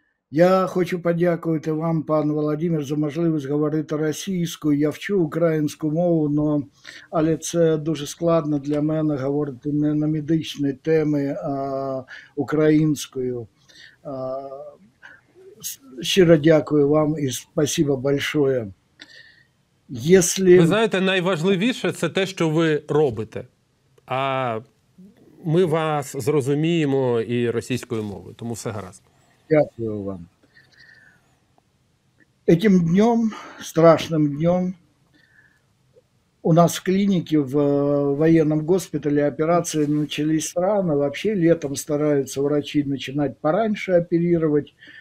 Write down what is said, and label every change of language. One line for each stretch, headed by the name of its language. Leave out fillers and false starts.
Ukrainian: Я хочу подякувати вам, пан Володимир, за можливість говорити російською. Я вчу українську мову, але це дуже складно для мене говорити не на медичні теми, а українською. Щиро дякую вам і
Russian: спасибо большое. Если...
Ukrainian: Ви знаєте, найважливіше – це те, що ви робите. А ми вас зрозуміємо і російською мовою, тому все гаразд. Дякую вам.
Russian: Этим днем, страшным днем, у нас в клинике, в военном госпитале операции начались рано. Вообще летом стараются врачи начинать пораньше оперировать.